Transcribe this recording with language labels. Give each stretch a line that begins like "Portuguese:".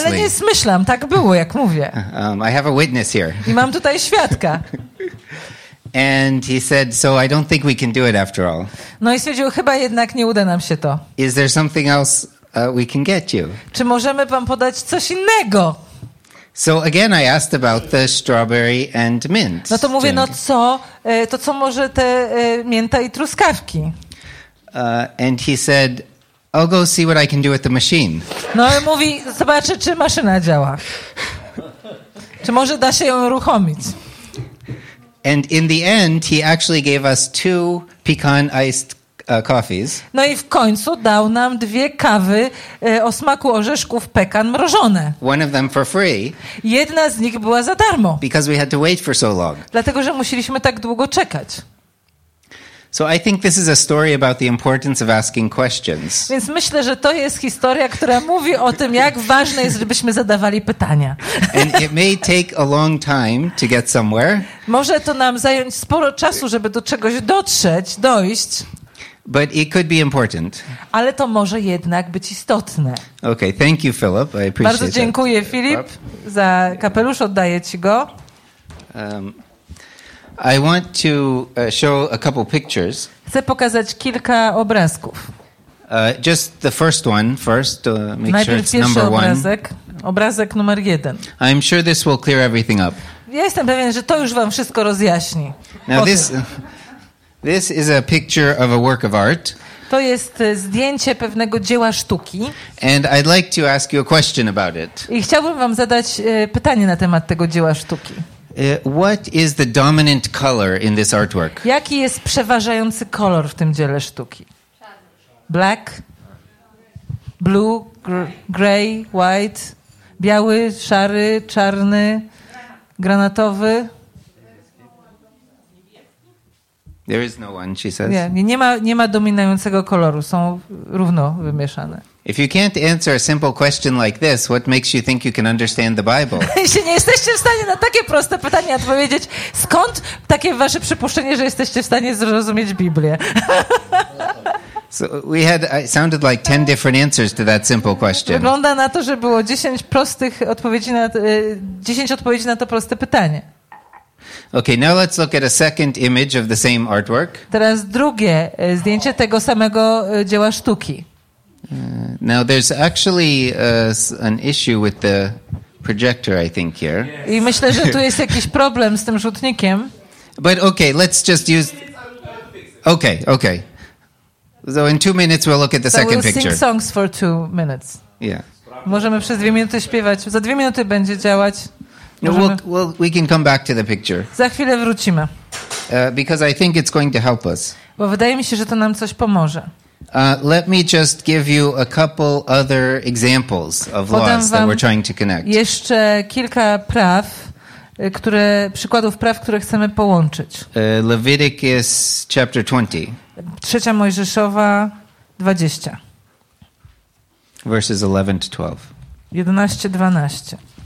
Polish: Wcale nie zmyślam, tak było, jak mówię.
English: I have a witness here.
Polish: I mam tutaj świadka.
English: And he said, so I don't think we can do it after all.
Polish: No i stwierdził, chyba jednak nie uda nam się to.
English: Is there something else we can get you?
Polish: Czy możemy wam podać coś innego?
English: So again I asked about the strawberry and mint.
Polish: No to mówię, drink. No co, to co może te mięta i truskawki?
English: And he said, I'll go see what I can do with the machine.
Polish: No i mówi, zobaczę, czy maszyna działa. Czy może da się ją uruchomić?
English: And in the end he actually gave us two pecan iced coffees.
Polish: No i w końcu dał nam dwie kawy o smaku orzeszków pekan mrożone.
English: One of them for free.
Polish: Jedna z nich była za darmo.
English: Because we had to wait for so long.
Polish: Dlatego, że musieliśmy tak długo czekać.
English: So I think this is a story about the importance of asking questions.
Polish: Więc myślę, że to jest historia, która mówi o tym, jak ważne jest, żebyśmy zadawali pytania.
English: And it may take a long time to get somewhere.
Polish: Może to nam zająć sporo czasu, żeby do czegoś dotrzeć, dojść.
English: But it could be important.
Polish: Ale to może jednak być istotne.
English: Okay, thank you, Philip. I appreciate
Polish: bardzo dziękuję,
English: that.
Polish: Filip, za kapelusz, oddaję ci go.
English: I want to show a couple pictures.
Polish: Chcę pokazać kilka obrazków.
English: Just the first one first, to make
Polish: najpierw
English: sure it's number
Polish: obrazek,
English: one.
Polish: Obrazek numer jeden.
English: I'm sure this will clear everything up.
Polish: Ja jestem pewien, że to już wam wszystko rozjaśni.
English: Now This is a picture of a work of art.
Polish: To jest zdjęcie pewnego dzieła sztuki.
English: And I'd like to ask you a question about it.
Polish: I chciałbym wam zadać pytanie na temat tego dzieła sztuki.
English: What is the dominant color in this artwork?
Polish: Jaki jest przeważający kolor w tym dziele sztuki?
English: Black, blue, gray, white,
Polish: biały, szary, czarny, granatowy.
English: There is no one, she says.
Polish: Nie ma dominującego koloru, są równo wymieszane.
English: If you can't answer a simple question like this, what makes you think you can understand the Bible?
Polish: Jeśli nie jesteście w stanie na takie proste pytanie odpowiedzieć, skąd takie wasze przypuszczenie, że jesteście w stanie zrozumieć Biblię?
English: So we had it sounded like 10 different answers to that simple question.
Polish: Wygląda na to, że było 10 prostych odpowiedzi na 10 odpowiedzi na to proste pytanie.
English: Okay, now let's look at a second image of the same artwork.
Polish: Teraz drugie zdjęcie tego samego dzieła sztuki.
English: Now there's actually an issue with the projector, I think, here.
Polish: I myślę, że tu jest jakiś problem z tym rzutnikiem.
English: But okay, let's just use... Okay, okay. So in 2 minutes we'll look at the second picture. So we'll sing songs for 2 minutes. Yeah.
Polish: Możemy przez 2 minuty śpiewać. Za 2 minuty będzie działać.
English: No, well, we can come back to the picture.
Polish: Za chwilę wrócimy.
English: Because I think it's going to help us.
Polish: Bo wydaje mi się, że to nam coś pomoże.
English: Let me just give you a couple other examples of laws that we're trying to connect.
Polish: Jeszcze kilka praw, które przykładów praw, które chcemy połączyć.
English: Leviticus chapter 20.
Polish: Trzecia Mojżeszowa 20.
English: Verses 11 to 12. 11-12.